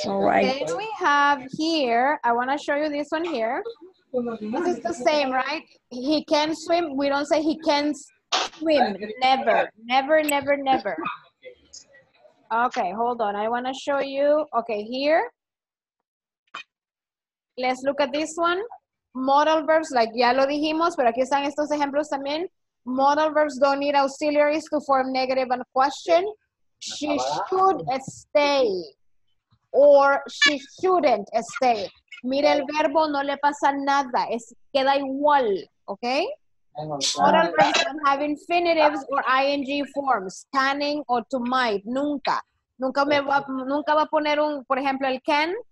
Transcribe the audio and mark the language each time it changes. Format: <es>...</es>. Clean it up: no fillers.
<en>Okay, we have here, I want to show you this one here. This is the same, right? He can swim, we don't say he can swim, never, never, never, never. Okay, hold on, I want to show you, okay, here. Let's look at this one. Modal verbs, like</en> <es>ya lo dijimos, pero aquí están estos ejemplos también.</es> <en>Modal verbs don't need auxiliaries to form negative and question. She should stay. Or she shouldn't stay.</en> <es>Mire el verbo, no le pasa nada. Es, queda igual, okay?</es> <en>Modal verbs don't have infinitives or ing forms. Canning or to might,</en> <es>nunca. Nunca va a poner un, por ejemplo, el can.</es>